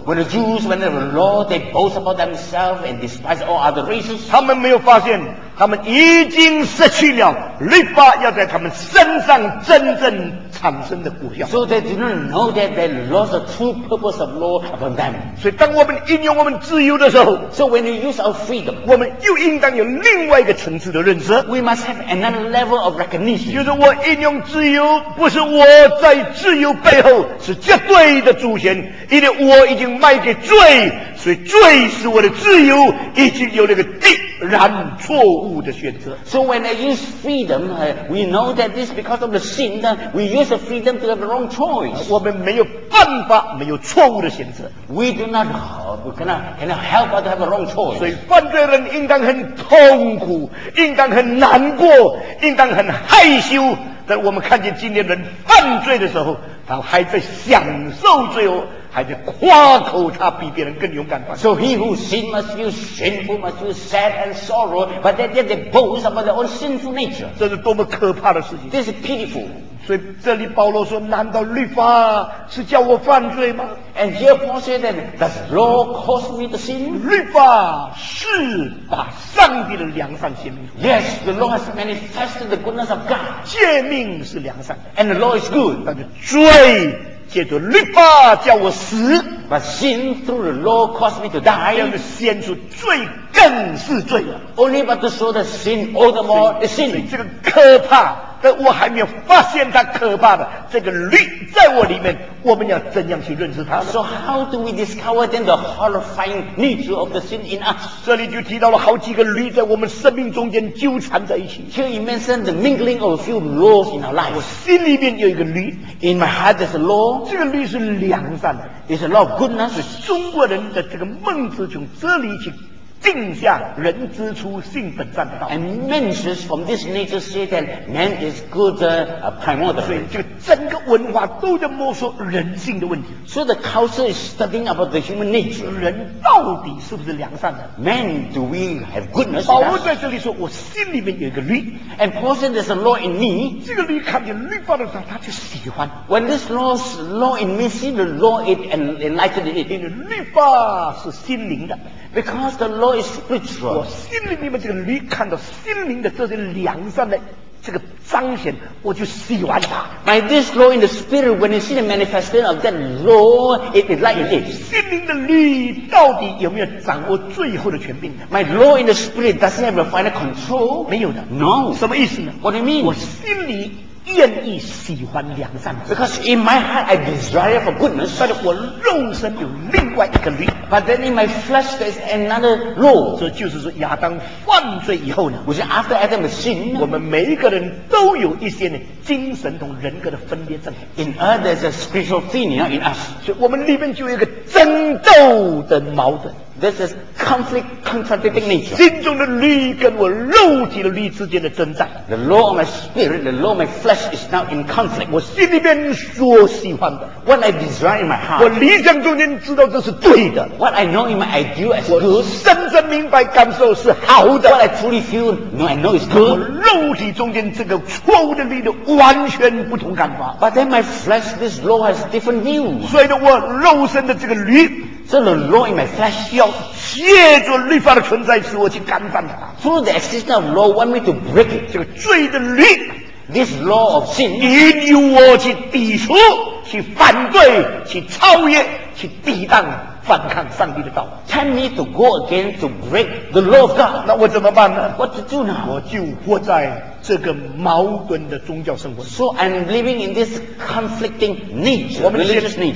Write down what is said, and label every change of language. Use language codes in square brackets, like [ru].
[en] ，When the Jews, when the law, they boast about themselves and despise all other races. [zh] 他们没有发现，他们已经失去了律法要在他们身上真正产生的果效。 [en] So they do not know that they lost the true purpose of law upon them. [zh] 所以当我们应用我们自由的时候 [en] ，So when we use our freedom， [zh] 我们又应当有另外一个层次的认识。 [en] We must have another level of recognition. [zh] 就是我应用自由，不是我在自由背后是绝对的主权，因为我已经卖给罪，所以罪是我的自由，已经有那个必然错误的选择。 [en] So when I use freedom, we know that this is because of the sin. We use the freedom to have the wrong choice. [zh] 我们没有办法，没有错误的选择。 [en] We do not help, cannot help but to have the wrong choice. [zh] 所以犯罪人应当很痛苦，应当很难过，应当很害羞。但我们看见今天人犯罪的时候，他还在享受罪恶，还在夸口他比别人更勇敢。 [en] So he who sin must feel shameful, must feel sad and sorrow, but then they boast about their own sinful nature. [zh] 这是多么可怕的事情。 [en] This is pitiful. [zh] 所以这里保罗说，难道律法是叫我犯罪吗？ [en] And here Paul said that, does law cause me to sin? [zh] 律法是把上帝的良善显明。 [en] Yes, the law has manifested the goodness of God. [zh] 诫命是良善。 [en] And the law is good. [zh] 但是罪借着律法叫我死， [en] but sin through the law caused me to die， [zh] 要显出罪更是罪了。 [en] Only but to show that sin all the more is sin。 [zh] 这个可怕，但我还没有发现它可怕的这个律在我里面，我们要怎样去认识它呢？ [en] So how do we discover then the horrifying nature of the sin in us？ [zh] 这里就提到了好几个律在我们生命中间纠缠在一起。 [en] Here you mention the mingling of a few laws in our life。 [zh] 我心里面有一个律 [en] ，In my heart there's a law。 [zh] 这个律是良善的 [en] ，It's a law of goodness。 [zh] 是中国人的这个孟子从这里去定下人之初性本善的道。 [en] And men should from this nature say that man is good primordial. [zh] 所以就整个文化都在摸索人性的问题。 [en] So the culture is studying about the human nature. [zh] 人到底是不是良善的？ [en] Man, do we have goodness? [zh] 保罗在这里说，我心里面有一个律。 [en] And Paul said there's a law in me. [zh] 这个律看见律法的时候，他就喜欢。 [en] When this law in me, see the law it and enlightened it. [zh] 因为律法是心灵的。 [en] Because the law is spiritual. [zh] 我心里面这个律看到心灵的这些良善的这个彰显，我就喜欢它。 [en] By this law in the spirit, when you see the manifestation of that law, it enlightens it. [zh] 心灵的律到底有没有掌握最后的权柄？ [en] My law in the spirit doesn't have a final control. [zh] 没有的。 [en] No. [zh] 什么意思呢？ [en] What do you mean? [zh] 我心里愿意喜欢良善。 [en] Because in my heart I desire for goodness. [zh] 但是我肉身有另外一个律。 [en] But then in my flesh there's another law. [zh] 这就是说亚当犯罪以后呢。 [en] Which is after Adam has sinned. [zh] 我们每一个人都有一些呢精神同人格的分裂症。 [en] In us there's a schizophrenia in us. [zh] 所以我们里面就有一个争斗的矛盾。 [en] This is conflict contradicting nature. [zh] 心中的律跟我肉体的律之间的征战。 [en] The law of my spirit, the law of my flesh is now in conflict. [zh] 我心里面所喜欢的。 [en] What I desire in my heart. [zh] 我理想中间知道这是对的。 [en] What I know in my ideal is good. [zh] 我深深明白感受是好的。 [en] What I truly feel, I know is good. [zh] 我肉体中间这个错误的律的完全不同看法。 [en] But then my flesh, this law has different views. [zh] 所以呢，我肉身的这个律 [en] So the law in my flesh [zh] 要借着律法的存在使我去干犯它。 [en] Through the existence of law, want me to break it. [zh] 这个罪的律 [en] this law of sin, [zh] 你要我去抵触、去反对、去超越、去抵挡、反抗上帝的道。 [en] Tell me to go against, to break the law of God. [zh] 那我怎么办呢？ [en] What to do now? [zh] 我就活在这个矛盾的宗教生活。 [en] So I'm living in this conflicting nature, religious nature.